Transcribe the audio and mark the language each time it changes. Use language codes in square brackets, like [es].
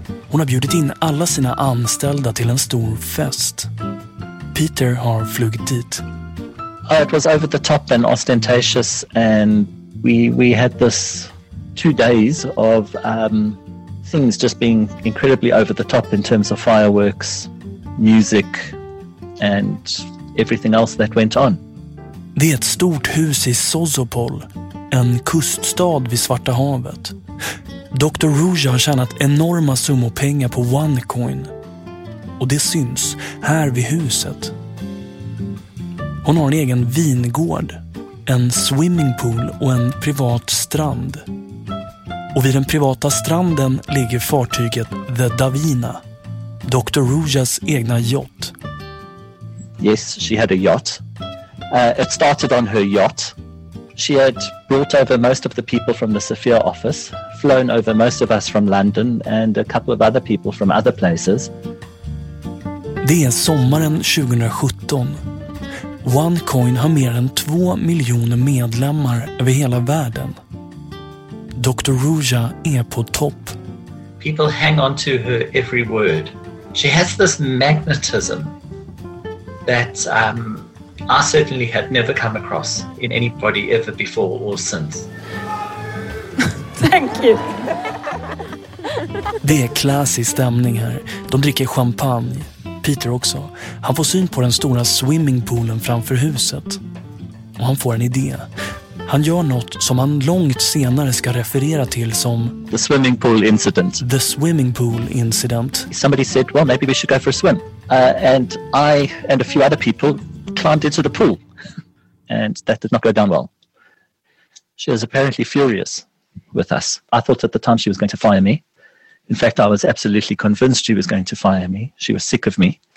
[sv] Hon har bjudit in alla sina anställda till en stor fest. Peter har flugit dit. [en] It was over the top and ostentatious, and we had this 2 days of things just being incredibly over the top in terms of fireworks, music and everything else that went on. [sv] Det är ett stort hus i Sozopol, en kuststad vid Svarta havet. Dr. Ruja har tjänat enorma summor pengar på OneCoin, och det syns här vid huset. Hon har en egen vingård, en swimmingpool och en privat strand. Och vid den privata stranden ligger fartyget The Davina, Dr. Rujas egna yacht. [en] Yes, she had a yacht. It started on her yacht. She had brought over most of the people from the Sofia office, flown over most of us from London and a couple of other people from other places. [sv] Det är sommaren 2017. OneCoin har mer än 2 miljoner medlemmar över hela världen. Dr. Ruja är på topp. [en] People hang on to her every word. She has this magnetism that I certainly have never come across in anybody ever before or since. Thank you. [sv] Det är klassisk stämning här. De dricker champagne. Peter också. Han får syn på den stora swimmingpoolen framför huset. Och han får en idé. Han gör något som han långt senare ska referera till som [en] the swimming pool incident. The swimming pool incident. Somebody said, well, maybe we should go for a swim. And I and a few other people climbed into the pool. And that did not go down well. She was apparently furious with us. I thought at the time she was going to fire me. In fact, I was absolutely convinced she was going to fire me. She was sick of me.